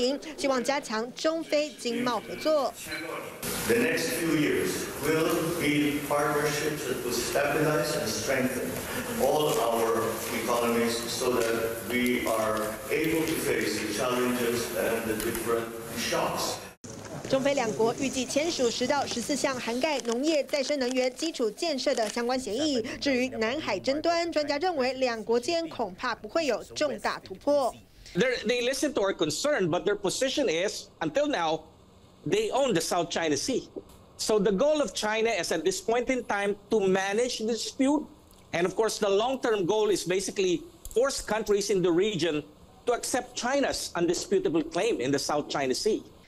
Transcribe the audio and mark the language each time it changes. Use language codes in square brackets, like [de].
[zh] 美方蓄意误导舆论，颠倒黑白，倒打一耙，妄图混淆国际视听。就在南海紧张之际，菲律宾总统小马可士带着第一夫人展开任内首次访中行。他抵达后，率先与全国人大委员长栗战书举行双边会谈，之后也安排会见李克强还有习近平，希望加强中非经贸合作。 [en] The next few years will build partnerships that will stabilize and strengthen all our economies so that we are able to face the challenges and the different shocks. [zh] 中非两国预计签署10到14项涵盖农业、再生能源、基础建设的相关协议。至于南海争端，专家认为两国间恐怕不会有重大突破。 [en] They listened to our concern, but their position is until now. They own the South China Sea. So the goal of China is at this point in time to manage the dispute. And of course, the long-term goal is basically force countries in the region to accept China's undisputable claim in the South China Sea.